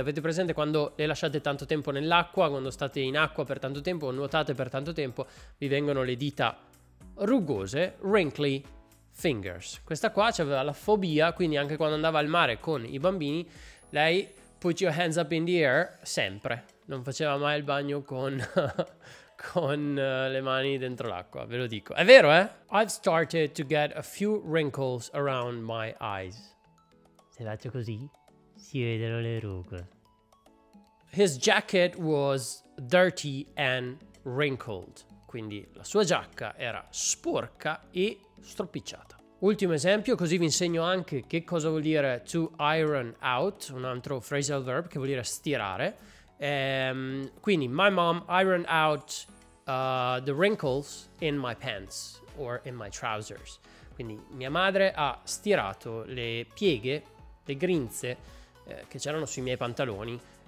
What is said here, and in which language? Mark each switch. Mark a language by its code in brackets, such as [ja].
[it] Avete presente quando le lasciate tanto tempo nell'acqua, quando state in acqua per tanto tempo, nuotate per tanto tempo, vi vengono le dita rugose, [en] wrinkly fingers. [it] Questa qua c'aveva la fobia, quindi anche quando andava al mare con i bambini, lei [en] put your hands up in the air [it] sempre. Non faceva mai il bagno con le mani dentro l'acqua, ve lo dico. È vero, eh? [en] I've started to get a few wrinkles around my eyes. [it] Se faccio così, si vedono le rughe. [en] His jacket was dirty and wrinkled. [it] Quindi la sua giacca era sporca e stropicciata. Ultimo esempio, così vi insegno anche che cosa vuol dire [en] to iron out, [it] un altro phrasal verb che vuol dire stirare. [en] Quindi, my mom ironed out the wrinkles in my pants or in my trousers. [it] Quindi, mia madre ha stirato le pieghe, le grinze che c'erano sui miei pantaloni.